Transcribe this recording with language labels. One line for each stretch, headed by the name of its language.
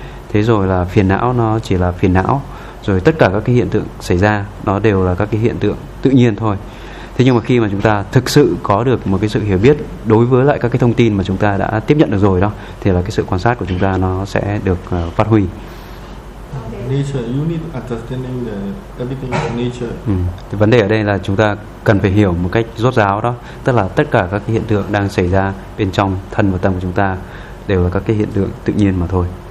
Vietnamese: Thế rồi là phiền não nó chỉ là phiền não. Rồi tất cả các cái hiện tượng xảy ra nó đều là các cái hiện tượng tự nhiên thôi. Thế nhưng mà khi mà chúng ta thực sự có được một cái sự hiểu biết đối với lại các cái thông tin mà chúng ta đã tiếp nhận được rồi đó, thì là cái sự quan sát của chúng ta nó sẽ được phát huy.
English: Nature, you need understanding the everything of nature.
Vietnamese: Thì vấn đề ở đây là chúng ta cần phải hiểu một cách rốt ráo đó, tức là tất cả các cái hiện tượng đang xảy ra bên trong thân và tâm của chúng ta đều là các cái hiện tượng tự nhiên mà thôi.